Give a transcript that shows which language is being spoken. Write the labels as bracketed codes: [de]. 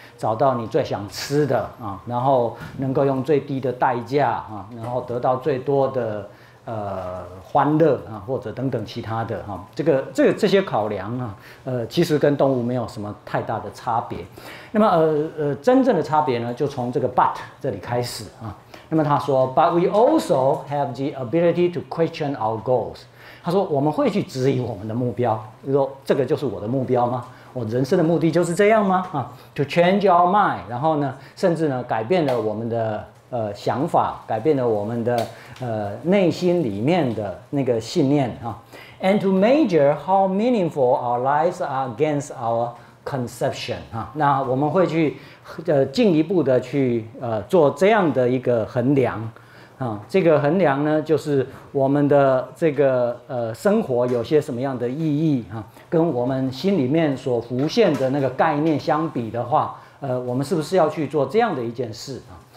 [zh] 找到你最想吃的啊，然后能够用最低的代价啊，然后得到最多的。欢乐啊，或者等等其他的哈、啊，这些考量啊，其实跟动物没有什么太大的差别。那么真正的差别呢，就从这个 but 这里开始啊。那么他说 [en] ，but we also have the ability to question our goals。 [zh] 他说我们会去质疑我们的目标，就是、说这个就是我的目标吗？我人生的目的就是这样吗？啊 ， [en] to change our mind， [zh] 然后呢，甚至呢，改变了我们的。想法改变了我们的内心里面的那个信念啊 ， [en] and to measure how meaningful our lives are against our conception [zh] 啊，那我们会去进一步的去做这样的一个衡量啊，这个衡量呢就是我们的这个生活有些什么样的意义啊，跟我们心里面所浮现的那个概念相比的话，我们是不是要去做这样的一件事啊？